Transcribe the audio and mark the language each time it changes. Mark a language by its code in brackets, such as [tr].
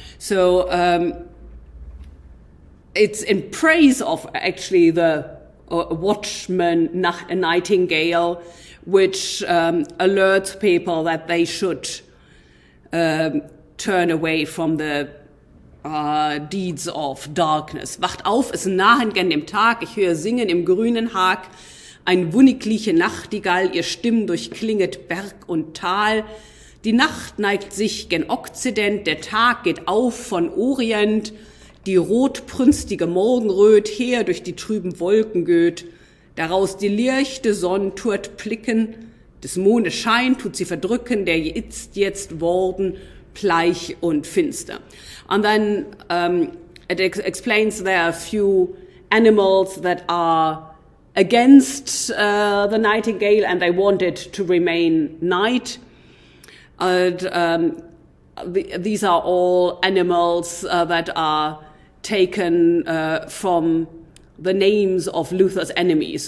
[en] So it's in praise of actually the watchman, a nightingale, which alerts people that they should turn away from the deeds of darkness. [de] Wacht auf, es nahen gen dem Tag, ich höre singen im grünen Hag, ein wunigliche Nachtigall, ihr Stimmen durchklinget Berg und Tal. Die Nacht neigt sich gen Okzident, der Tag geht auf von Orient, die rotprünstige Morgenröt her durch die trüben Wolken göht. Daraus die lirchte Sonne tut blicken, des Mondes Schein tut sie verdrücken, der jetzt worden bleich und finster. [en] And then it explains there are a few animals that are against the nightingale and they want it to remain night. And these are all animals that are taken from the names of Luther's enemies.